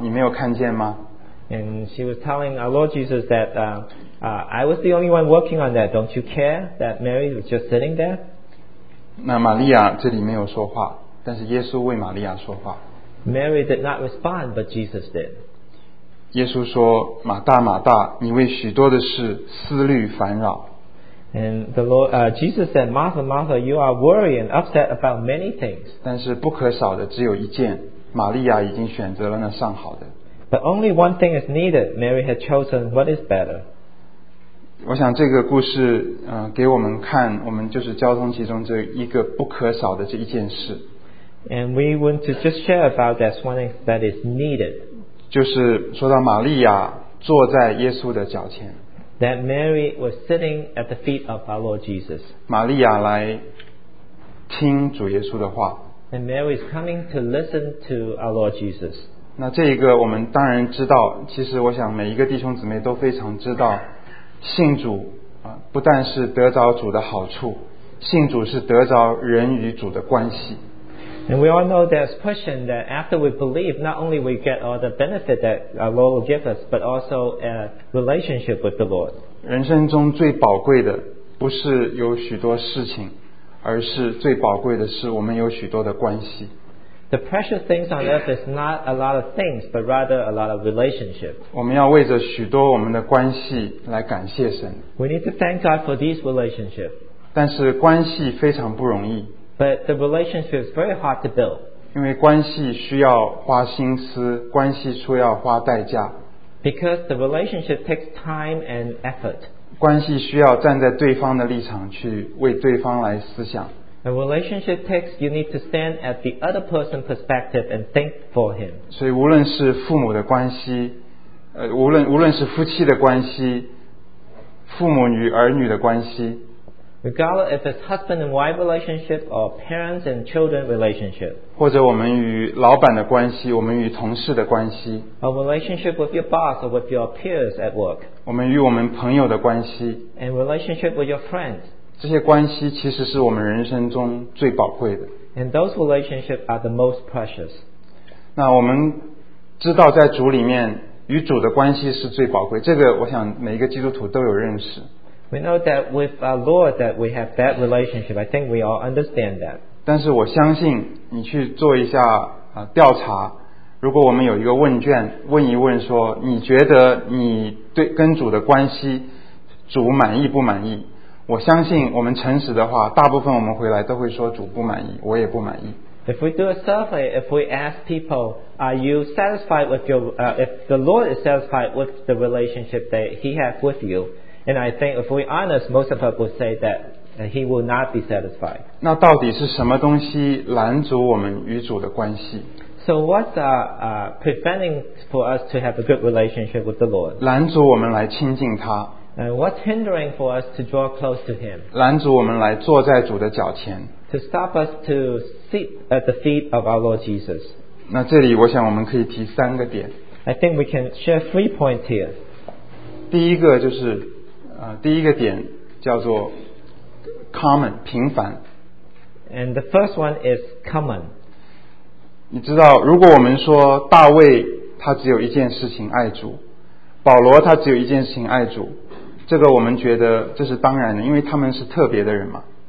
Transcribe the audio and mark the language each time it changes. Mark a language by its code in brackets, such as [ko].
[zh] 你没有看见吗 [en] ？”And she was telling our Lord Jesus that, I was the only one working on that. Don't you care that Mary was just sitting there? [zh] 那玛利亚这里没有说话，但是耶稣为玛利亚说话。 [en] Mary did not respond, but Jesus did. [zh] 耶稣说马大马大你为许多的事思虑烦扰 [en] And the Lord, Jesus said Martha Martha you are worried and upset about many things [zh] 但是不可少的只有一件玛利亚已经选择了那上好的 [en] But only one thing is needed. Mary had chosen what is better. [zh] 我想这个故事给我们看我们就是交通其中这一个不可少的这一件事。 [en] And we want to just share about that one thing that is needed. [zh] 就是说到玛利亚坐在耶稣的脚前。 [en] That Mary was sitting at the feet of our Lord Jesus. [zh] 玛利亚来听主耶稣的话。 [en] And Mary is coming to listen to our Lord Jesus. [zh] 那这一个我们当然知道，其实我想每一个弟兄姊妹都非常知道，信主不但是得着主的好处，信主是得着人与主的关系。 [en] And we all know there's a question that after we believe, not only we get all the benefit that our Lord will give us, but also a relationship with the Lord. [zh] 人生中最宝贵的不是有许多事情，而是最宝贵的是我们有许多的关系。 [en] The precious things on earth is not a lot of things, but rather a lot of relationship. [zh] 我们要为着许多我们的关系来感谢神。 [en] We need to thank God for these relationships. [zh] 但是关系非常不容易。 [en] But the relationship is very hard to build. [zh] 因为关系需要花心思，关系需要花代价。 [en] Because the relationship takes time and effort. [zh] 关系需要站在对方的立场去为对方来思想。 [en] A relationship takes you need to stand at the other person's perspective and think for him. [zh] 所以无论是父母的关系，无论是夫妻的关系，父母与儿女的关系。 [en] Regardless if it's husband and wife relationship or parents and children relationship. [zh] 或者我们与老板的关系，我们与同事的关系。 [en] A relationship with your boss or with your peers at work. [zh] 我们与我们朋友的关系。 [en] And relationship with your friends. [zh] 这些关系其实是我们人生中最宝贵的。 [en] And those relationships are the most precious. [zh] 那我们知道在主里面与主的关系是最宝贵，这个我想每一个基督徒都有认识。 [en] We know that with our Lord that we have that relationship. I think we all understand that. [zh] 但是我相信你去做一下调查，如果我们有一个问卷，问一问说你觉得你对跟主的关系，主满意不满意？我相信我们诚实的话，大部分我们回来都会说主不满意，我也不满意。 [en] If we do a survey, if we ask people, are you satisfied with your, if the Lord is satisfied with the relationship that He has with you, and I think if we honest, most of us will say that He will not be satisfied. [zh] 那到底是什么东西拦阻我们与主的关系？ [en] So what's preventing for us to have a good relationship with the Lord? [zh] 拦阻我们来亲近他。 [en] And what's hindering for us to draw close to Him? [zh] 拦阻我们来坐在主的脚前。 [en] To stop us to sit at the feet of our Lord Jesus. [zh] 那这里我想我们可以提三个点。 [en] I think we can share three points here. [zh] 第一个就是第一个点叫做 common, 平凡。 [en] And the first one is common. [zh] 你知道如果我们说大卫他只有一件事情爱主，保罗他只有一件事情爱主，这个我们觉得这是当然的，因为他们是特别的人嘛。